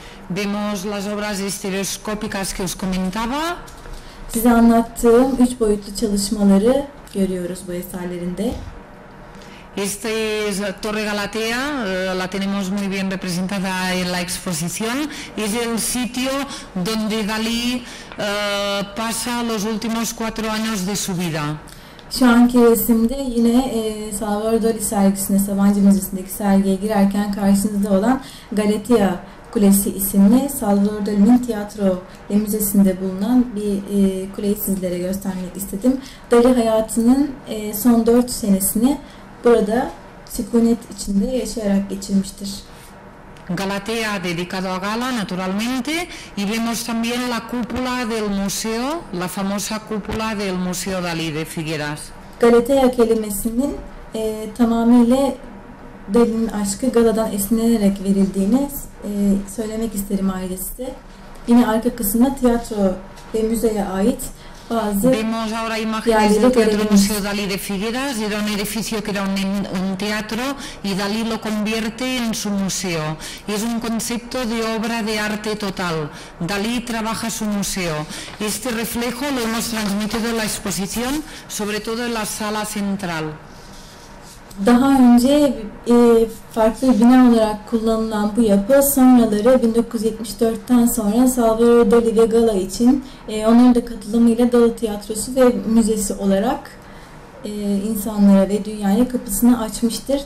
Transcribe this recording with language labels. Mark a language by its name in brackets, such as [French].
[Spanish] Vemos las obras estereoscópicas que os comentaba. [Turkish] Size anlattığım üç boyutlu çalışmaları görüyoruz bu eserlerinde. [Spanish] Esta es Torre Galatea, la tenemos muy bien representada en la exposición. Es el sitio donde Dalí pasa los últimos cuatro años de su vida. [Turkish] Şu anki resimde yine Salvador Dalí sergisine, Sabancı Müzesi'ndeki sergiye girerken karşınızda olan Galatea Kulesi isimli Salvador Dalí'nin tiyatro ve müzesinde bulunan bir kuleyi sizlere göstermek istedim. Dalí hayatının son dört senesini burada sükunet içinde yaşayarak geçirmiştir. [Spanish] Galatea dedicado a Gala naturalmente y vemos también la cúpula del museo, la famosa cúpula del Museo Dalí de Figueras. [Turkish] Galatea kelimesinin tamamıyla Dalí'nin aşkı Gala'dan esinlenerek verildiğini söylemek isterim ailesi. Yine arka kısımda tiyatro ve müzeye ait [Spanish] vemos ahora imágenes del Teatro Museo Dalí de Figueras, era un edificio que era un teatro y Dalí lo convierte en su museo. Es un concepto de obra de arte total. Dalí trabaja su museo. Este reflejo lo hemos transmitido en la exposición, sobre todo en la sala central. [Turkish] Daha önce farklı bir bina olarak kullanılan bu yapı sonraları 1974'ten sonra Salvador Dalí ve Gala için onun da katılımıyla Dalí Tiyatrosu ve Müzesi olarak insanlara ve dünyaya kapısını açmıştır.